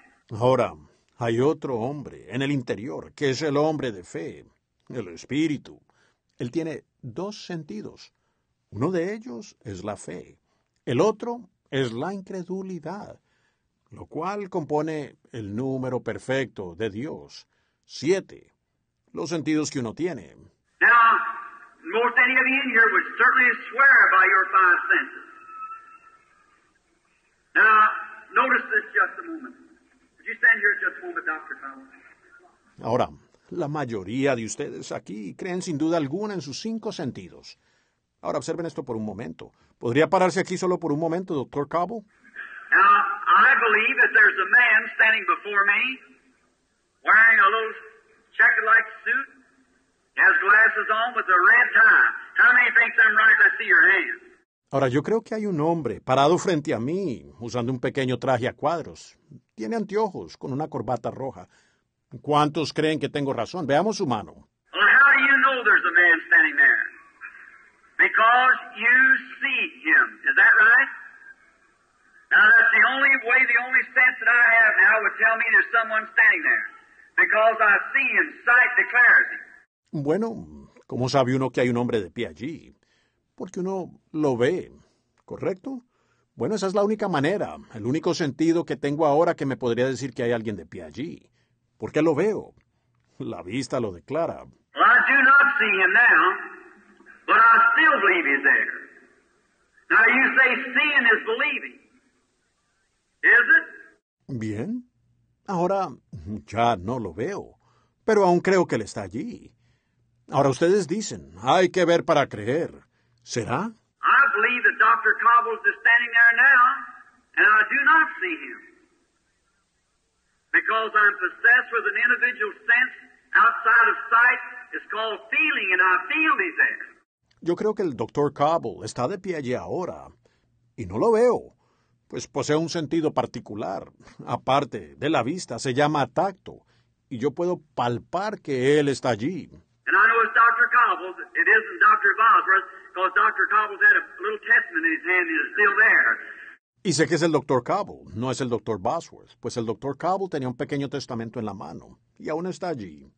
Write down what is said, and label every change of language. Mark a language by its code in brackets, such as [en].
[es] Ahora, hay otro hombre en el interior, que es el hombre de fe, el espíritu. Él tiene 2 sentidos. Uno de ellos es la fe. El otro es la incredulidad, lo cual compone el número perfecto de Dios. 7. Los sentidos que uno tiene. [en] Now, most any of you in here would certainly swear by your 5 senses. Now, notice this just a moment. Would you stand here just a moment, Dr. Collins? [es] Ahora, la mayoría de ustedes aquí creen sin duda alguna en sus 5 sentidos. Ahora, observen esto por un momento. ¿Podría pararse aquí solo por un momento, Dr. Cobble? [en] Now, I believe that there's a man standing before me wearing a little checkered-like suit, has glasses on with a red tie. How many think I'm right? I see your hand. [es] Ahora, yo creo que hay un hombre parado frente a mí, usando un pequeño traje a cuadros. Tiene anteojos con una corbata roja. ¿Cuántos creen que tengo razón? Veamos su mano. [en] Well, how do you know there's a man standing there? Because you see him. Is that right? Now, that's the only way, the only sense that I have now would tell me there's someone standing there. Because I see him. Sight declares him. [es] Bueno, ¿cómo sabe uno que hay un hombre de pie allí? Porque uno lo ve, ¿correcto? Bueno, esa es la única manera, el único sentido que tengo ahora que me podría decir que hay alguien de pie allí. ¿Por qué lo veo? La vista lo declara. [en] Well, I do not see him now, but I still believe he's there. Now you say seeing is believing. Is it? [es] Bien. Ahora ya no lo veo, pero aún creo que él está allí. Ahora ustedes dicen, hay que ver para creer. ¿Será? [en] I believe that Dr. Cobbles is standing there now, and I do not see him. Because I'm possessed with an individual sense outside of sight. It's called feeling, and I feel he's there. [es] Yo creo que el Dr. Cobble está de pie allí ahora, y no lo veo. Pues posee un sentido particular, aparte de la vista. Se llama tacto, y yo puedo palpar que él está allí. [en] And I know it's Dr. Cobbles. It isn't Dr. Bosworth. Because Dr. Cobble's had a little testament in his hand and is still there. [es] Y sé que es el Dr. Cobble, no es el Dr. Bosworth. Pues el Dr. Cobble tenía un pequeño testamento en la mano y aún está allí.